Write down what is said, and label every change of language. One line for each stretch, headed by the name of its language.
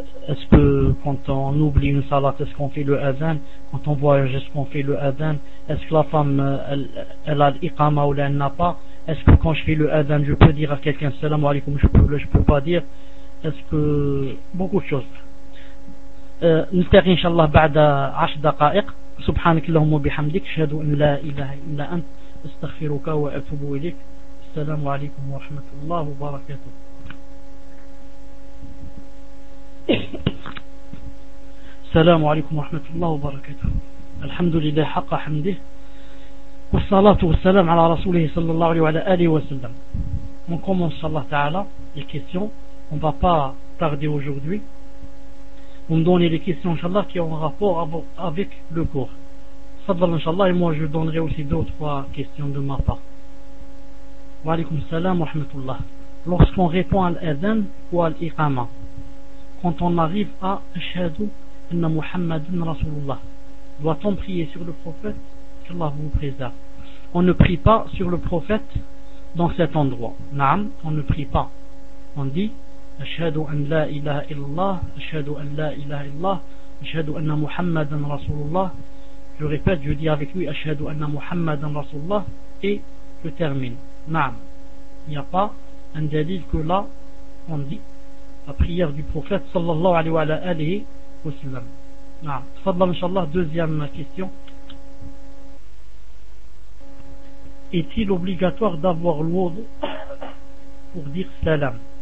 French: est-ce que quand on oublie une salat, est-ce qu'on fait le adhan? Quand on voyage, est-ce qu'on fait le adhan? Est-ce que la femme, elle a l'iqama ou elle n'a pas? Est-ce que quand je fais le adhan, je peux dire à quelqu'un salam alaikum, je peux pas dire? Est-ce que... beaucoup de choses.
Arabic: نستغي إن شاء الله بعد 10 دقائق سبحانك اللهم وبحمدك أشهد أن لا إله إلا أنت استغفرك وأتوب إليك السلام عليكم ورحمة الله وبركاته السلام عليكم ورحمة الله وبركاته الحمد لله حق حمده والصلاة والسلام على رسوله صلى الله عليه وعلى آله وسلم نكمل إن شاء الله تعالى الكيسيون on va pas tarder aujourd'hui.
French: On donne les questions, inshallah, qui ont un rapport avec le cours. Sadal, inshallah, et moi, je donnerai aussi deux ou trois questions de ma part. Wa alaikum salam wa rahmatullah. Lorsqu'on répond à l'adhan ou à l'iqama, quand on arrive à Ashhadu anna Muhammadan Rasulullah, doit-on prier sur le prophète? Qu'Allah vous préserve. On ne prie pas sur le prophète dans cet endroit. Naam, on ne prie pas. On dit...
Arabic: أشهد أن لا إله إلا الله أشهد أن لا إله إلا الله أشهد أن محمدا رسول الله je répète, je dis avec lui أشهد أن محمدا رسول الله et je termine.
French: نعم, il n'y a pas un délit que là on dit la prière du prophète صلى الله عليه وعلى آله وسلم.
Arabic: نعم, تفضل إن شاء الله.
French: Deuxième question, est-il obligatoire d'avoir l'ouzou pour dire salam?